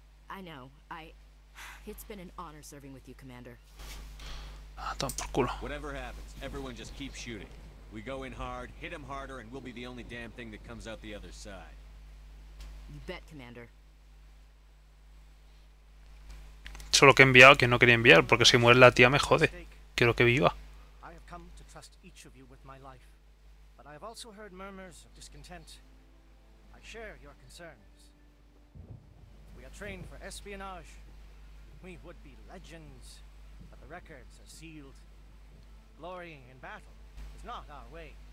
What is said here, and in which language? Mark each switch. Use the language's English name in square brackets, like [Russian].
[English] I know. It's been an honor serving with you, Commander. [Spanish] Ah, toma por culo. [English] Whatever happens, everyone just keep shooting. We go in hard, hit him harder, and we'll be the only damn thing that comes out the other side. You bet, Commander. [Spanish] Solo que he enviado que no quería enviar, porque si muere la tía me jode. Quiero que viva. [English] I have come to trust each of you with my life, but I have also heard murmurs of discontent. I share your concerns. We are trained for espionage. We would be legends, but the records are sealed. Glorying in battle. Not our way.